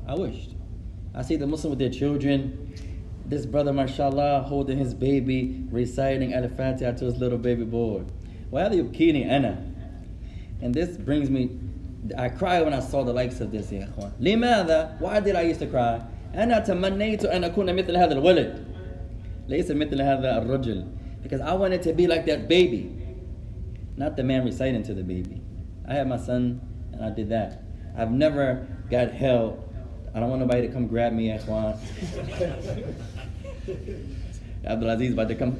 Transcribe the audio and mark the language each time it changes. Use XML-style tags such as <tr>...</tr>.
<en>I wished. I see the Muslim with their children. This brother, mashallah, holding his baby, reciting Al-Fatiha to his little baby boy. Why are you kidding, Anna? And this brings me, I cry when I saw the likes of this, ya akhwan.</en> <ar>لماذا?</ar> <en>Why did I used to cry?</en> <ar>أنا تمنيت أن أكون مثل هذا الولد. ليس مثل هذا الرجل.</ar> <en>Because I wanted to be like that baby. Not the man reciting to the baby. I had my son, and I did that. I've never got help. I don't want nobody to come grab me, Ikhwan. Abdulaziz about to come.</en>